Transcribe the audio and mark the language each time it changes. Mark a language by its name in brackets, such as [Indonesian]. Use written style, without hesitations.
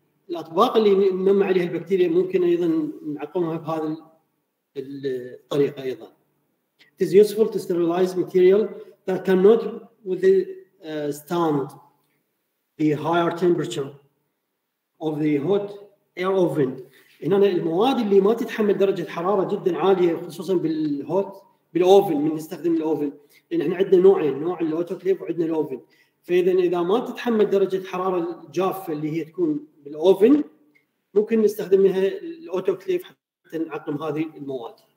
[Arabic] الأطباق اللي ننمى عليها البكتيريا ممكن أيضاً نعقمها بهذا الطريقة أيضاً. [English] It is useful to sterilize material that cannot withstand the higher temperature of the hot air oven. [Arabic] إن أنا المواد اللي ما تتحمل درجة حرارة جداً عالية خصوصاً بالهوت بالأوفن، من نستخدم الأوفن لأن إحنا عندنا نوعين، نوع الأوتوكليف وعندنا الأوفن، فإذا إذا ما تتحمل درجة حرارة الجافة اللي هي تكون بالأوفن ممكن نستخدمها الأوتوكليف حتى نعقم هذه المواد.